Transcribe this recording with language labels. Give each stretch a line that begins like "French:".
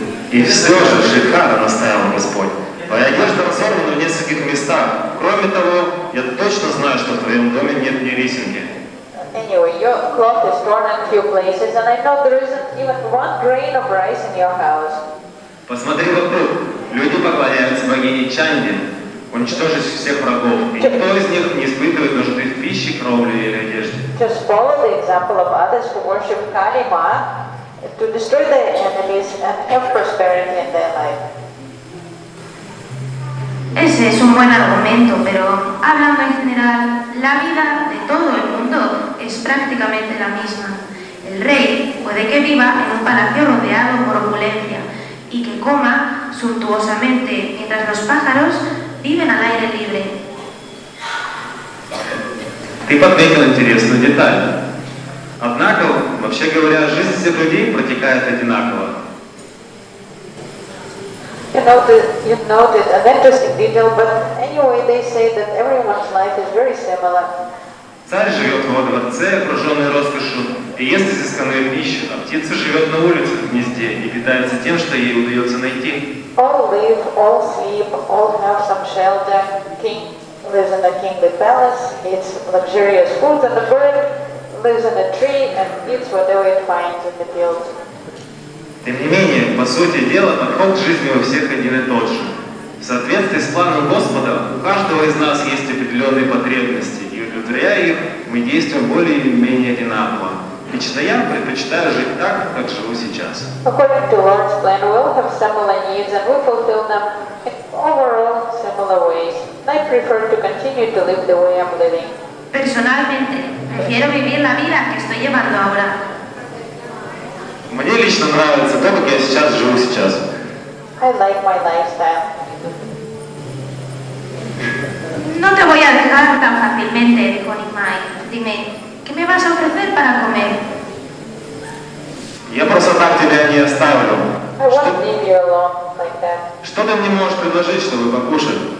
Russian: Y все же, Шихара, настаивал Господь, твоя одежда разорвана в нескольких местах. Кроме того, я точно знаю, что в твоем доме нет ни лесенки.
English: Anyway, your cloth is torn in a few places, and I know there isn't even one grain of rice in your house.
Russian: Посмотри вокруг. Люди поклоняются богине Чанди, уничтожить всех врагов. И никто из них не испытывает нужды в пище, кровле или одежде.
English: Just follow the example of others who worship Kali Ma to destroy their enemies and have prosperity in their life.
Spanish: Ese es un buen argumento, pero hablando en general, la vida de todo el mundo es prácticamente la misma. El rey puede que viva en un palacio rodeado por opulencia y que coma suntuosamente mientras los pájaros viven al aire libre.
Russian: Ты подметил интересную деталь. Однако, вообще говоря, жизнь всех людей протекает одинаково.
English: You noted an interesting detail, but anyway, they say that everyone's life is very similar.
Russian: Царь живет во дворце, окруженный роскошью, и ест изысканную пищу, а птица живет на улице, в гнезде, и питается тем, что ей удается найти.
English: All live, all sleep, all have some shelter. King lives in a kingly palace, eats luxurious food, and the bird lives in a tree and eats whatever it finds in the field.
Russian: Тем не менее, по сути дела, подход к жизни у всех один и тот же. В соответствии с планом Господа, у каждого из нас есть определенные потребности, и удовлетворяя их, мы действуем более или менее одинаково. Лично я предпочитаю жить так, как живу сейчас.
English: According to Lord's plan, we all have similar needs, and we fulfill them in overall similar ways. I prefer to continue to live the way I'm living.
Spanish: Personalmente, prefiero vivir la vida que estoy llevando ahora.
Russian: Мне лично нравится то, как я сейчас живу сейчас.
English: I like my lifestyle.
Spanish: No te voy a dejar tan fácilmente, dijo Nimai. Dime, ¿qué me vas a ofrecer para comer?
Russian: Я просто так тебя не оставлю.
English: I won't leave you alone like that.
Russian: Что ты мне можешь предложить, чтобы покушать?